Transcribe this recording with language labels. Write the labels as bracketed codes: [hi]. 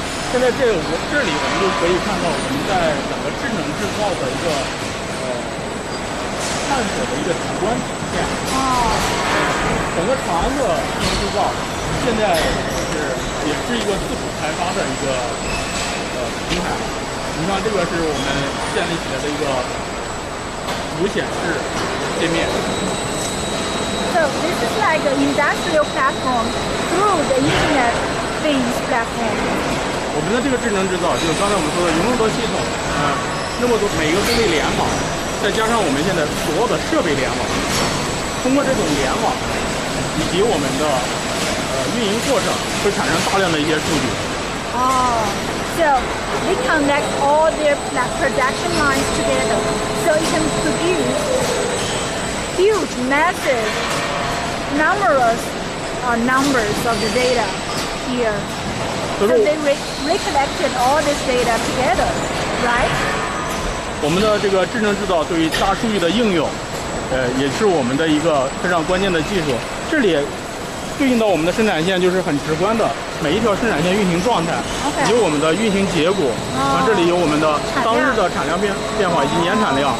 [zh] 现在这里我们就可以看到我们在整个智能制造的一个探索的一个直观体现。整个长安的智能制造现在也是一个自主开发的一个平台。你看这个是我们建立起来的一个无显示界面。 [en] So this is like an industrial platform through the internet things platform. [zh] 我们的这个智能制造，就是刚才我们说的有那么多系统，那么多每一个工艺联网，再加上我们现在所有的设备联网，通过这种联网，以及我们的运营过程会产生大量的一些数据。 [en] So we connect all their production lines together, so it can produce huge, massive, numerous, numbers of the data here. So they recollected all this data together, right? [zh] 我们的这个智能制造对于大数据的应用，也是我们的一个非常关键的技术。这里。对应到我们的生产线就是很直观的每一条生产线运行状态、 [en] okay. [zh] 以及我们的运行结果、 oh. 这里有我们的当日的产量变化以及年产量、